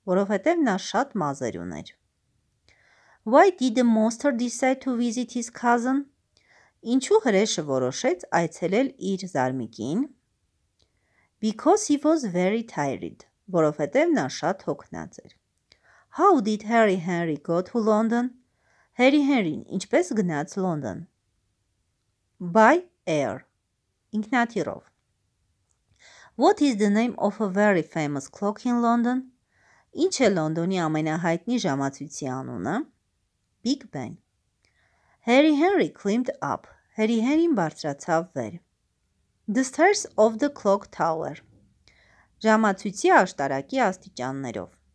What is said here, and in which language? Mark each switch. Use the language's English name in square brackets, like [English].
[Armenian] Որովհետև նա շատ մազեր ուներ. [English] Why did the monster decide to visit his cousin? [Armenian] Ինչու հրեշը որոշեց այցելել իր զարմիկին? [English] Because he was very tired, [Armenian] որովհետև նա շատ հոգնած էր. [English] How did Harry Henry go to London? [Armenian] Harry Henry-ն ինչպես գնաց Լոնդոն? [English] By air, [Armenian] ինքնաթիռով. [English] What is the name of a very famous clock in London? [Armenian] Ինչ է Լոնդոնի ամենահայտնի ժամացույցի անունը? [English] Big Ben. Harry Henry climbed up. [Armenian] Harry Henry-ն բարձրացավ վեր. [English] The stairs of the clock tower. [Armenian] Ժամացույցի աշտարակի աստիճաններով.